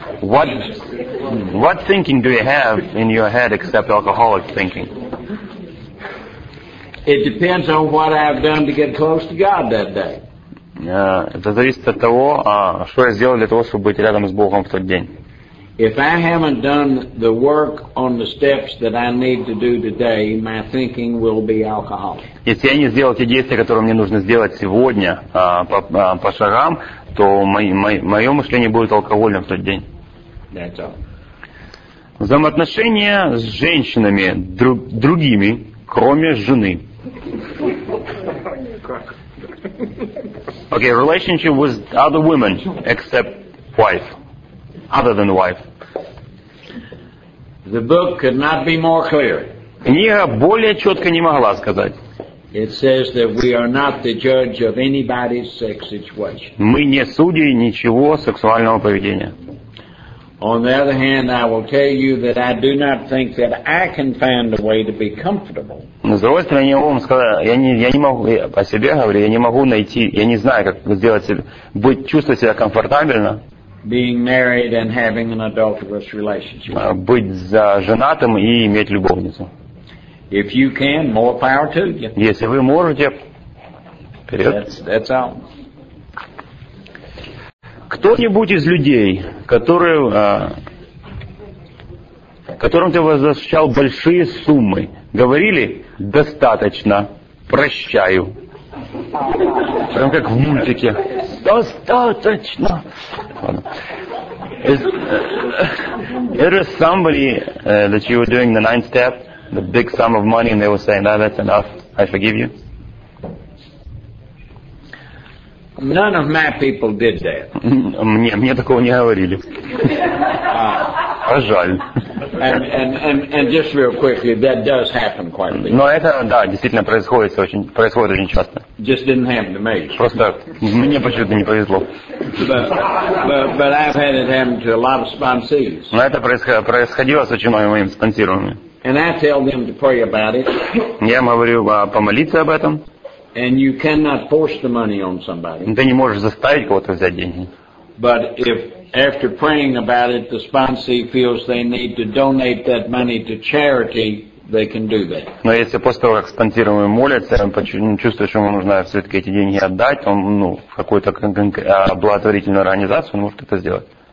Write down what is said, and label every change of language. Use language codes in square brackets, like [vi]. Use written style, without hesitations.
[en] What thinking do you have in your head except alcoholic thinking? It depends on what I've done to get close to God that day. [ru] Это зависит от того, что я сделал для того, чтобы быть рядом с Богом в тот день. [en] If I haven't done the work on the steps that I need to do today, my thinking will be alcoholic. [ru] Если я не сделал те действия, которые мне нужно сделать сегодня по шагам, то мое мышление будет алкогольным в тот день. Взаимоотношения с женщинами другими, кроме жены. [en] Okay, relationship with other women except wife, other than wife. The book could not be more clear. [ru] Книга более четко не могла сказать. [en] It says that we are not the judge of anybody's sex situation. [ru] Мы не судьи ничего сексуального поведения. [en] On the other hand, I will tell you that I do not think that I can find a way to be comfortable. [ru] С другой стороны, я вам сказал, я не могу о себе говорю, я не могу найти, я не знаю, как сделать себе, быть, чувствовать себя комфортабельно. [en] Being married and having an adulterous relationship. [ru] Быть за женатым и иметь любовницу. [en] If you can, more power to you. [ru] Если вы можете, вперед. [en] That's all. [ru] Кто-нибудь из людей, которым ты возвращал большие суммы, говорили «достаточно, прощаю». Прям как в мультике. «Достаточно». [en] Is there somebody that you were doing the ninth step, the big sum of money, and they were saying, no, that's enough, I forgive you? None of my people did that. [ru] Мне такого не говорили. А жаль. [en] And just real quickly, that does happen quite a bit. [ru] Но это, да, действительно происходит очень часто. [en] Just didn't happen to me. [ru] Просто мне почему-то не повезло. [en] But I've had it happen to a lot of sponsees. [ru] Но это происходило с очень многими спонсорами. [en] And I tell them to pray about it. [ru] Я им говорю помолиться об этом. [en] And you cannot force the money on somebody. [ru] Ты не можешь заставить кого-то взять деньги. [en] But if after praying about it, the sponsee feels they need to donate that money to charity, they can do that. [ru] Но если после того, как спонсируемый молится, он чувствует, что ему нужно все-таки эти деньги отдать, он в какую-то благотворительную организацию, он может это сделать.